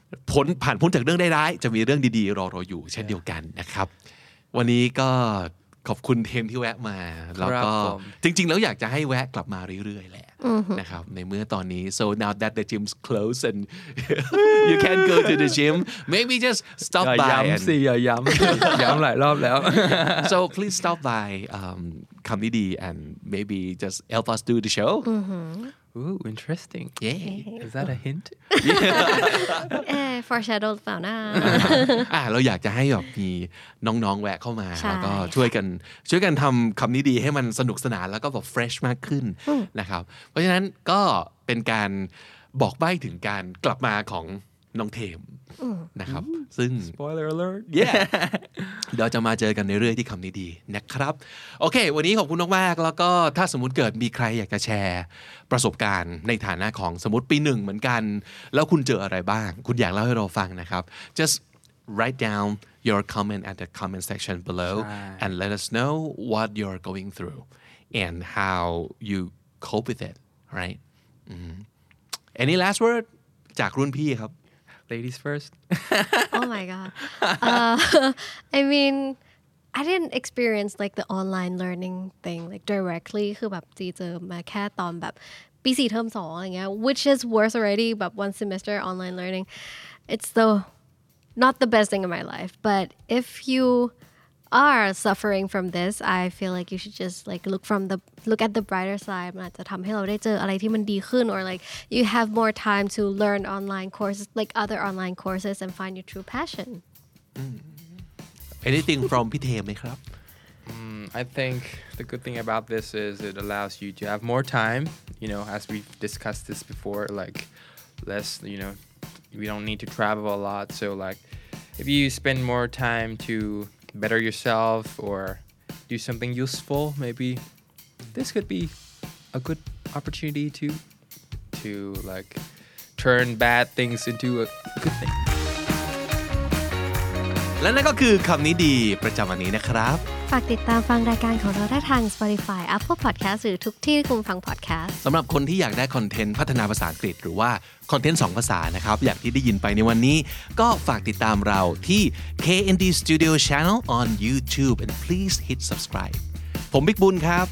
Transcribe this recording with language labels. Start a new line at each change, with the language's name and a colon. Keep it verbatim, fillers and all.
Thai: พ้นผ่านพ้นจากเรื่องร้ายๆจะมีเรื่องดีๆรอเราอยู่เช่นเดียวกันนะครับวันนี้ก็ขอบคุณเทมที่แวะมาแล้วก็จริงๆแล้วอยากจะให้แวะกลับมาเรื่อยๆแหละนะครับในเมื่อตอนนี้
English: so now that the gym's closed and you can't go to the gym maybe just stop by
Thai: ย้ำสิย้ำย้ำหลายรอบแล้ว
English: so please stop by um, Kamidi and maybe just help us do the show Ooh, interesting. Yeah. Is that a hint? Eh, foreshadowed
Thai: เปล่านะ อ่าเราอยากจะให้แบบมีน้องๆแวะเข้ามาแล้วก็ช่วยกันช่วยกันทำคำนี้ดีให้มันสนุกสนานแล้วก็แบบ fresh มากขึ้นนะครับเพราะฉะนั้นก็เป็นการบอกใบ้ถึงการกลับมาของน้องเทมนะครับซึ่ง
English: spoiler alert
Thai: yeah เดี๋ยวจะมาเจอกันในเรื่องที่คำนี้ดีนะครับโอเควันนี้ขอบคุณมากๆแล้วก็ถ้าสมมุติเกิดมีใครอยากจะแชร์ประสบการณ์ในฐานะของสมมุติปีหนึ่งเหมือนกันแล้วคุณเจออะไรบ้างคุณอยากเล่าให้เราฟังนะครับ
English: just write down your comment at the comment section below and let us know what you're going through and how you cope with it right mm-hmm. any last word
Thai: จากรุ่นพี่ครับ
English: Ladies first. Oh my god. Uh, I mean, I didn't experience like the online learning thing like directly.
Thai: คือแบบจีเจอมาแค่ตอนแบบปีสี่เทอมสองอะไรเงี้ย
English: which is worse already.
Thai: แบบ
English: one semester online learning, it's the not the best thing in my life. But if you are suffering from this, I feel like you should just like look from the look at the brighter side.
Thai: มันอาจจะทำให้เราได้เจออะไรที่มันดีขึ้น
English: or like you have more time to learn online courses like other online courses and find your true passion. Anything from พี่เทมไหมครับ I think the good thing about this is it allows you to have more time. You know, as we've discussed this before, like less. You know, we don't need to travel a lot. So like, if you spend more time to better yourself or do something useful, maybe this could be a good opportunity to to like turn bad things into a good thing.
Thai: และนั่นก็คือคำนี้ดีประจำวันนี้นะครับ ฝากติดตามฟังรายการของเราได้ทาง Spotify, Apple Podcast หรือทุกที่คุณฟัง podcast สำหรับคนที่อยากได้คอนเทนต์พัฒนาภาษาอังกฤษหรือว่าคอนเทนต์สองภาษานะครับอย่างที่ได้ยินไปในวันนี้ก็ฝากติดตามเราที่ เค เอ็น ดี Studio
English: Channel on YouTube and please hit subscribe
Thai: ผมบิ๊กบุญครับ